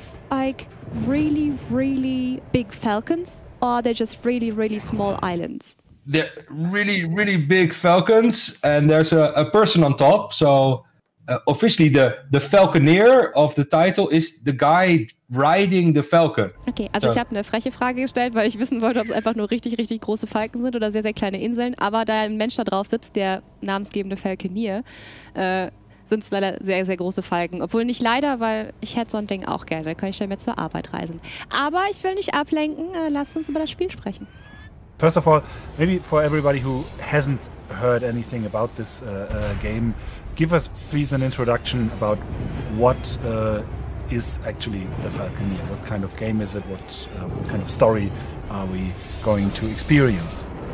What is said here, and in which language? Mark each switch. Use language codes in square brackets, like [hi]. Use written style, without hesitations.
[en] like really, really big falcons, or are they just really, really small islands? They're really, really big falcons, and there's a person on top. So officially, the Falconeer of the title is the guy riding the falcon. [de] Okay, also ich habe eine freche Frage gestellt, weil ich wissen wollte, ob es einfach nur richtig, richtig große Falken sind oder sehr, sehr kleine Inseln. Aber da ein Mensch da drauf sitzt, der namensgebende Falconeer, sind es leider sehr, sehr große Falken. Obwohl nicht leider, weil ich hätte so ein Ding auch gerne. Da kann ich schon mehr zur Arbeit reisen. Aber ich will nicht ablenken. Lasst uns über das Spiel sprechen. [en] First of all, maybe for everybody who hasn't heard anything about this game, give us please an introduction about what is actually the Falconeer. What kind of game is it? What kind of story are we going to experience?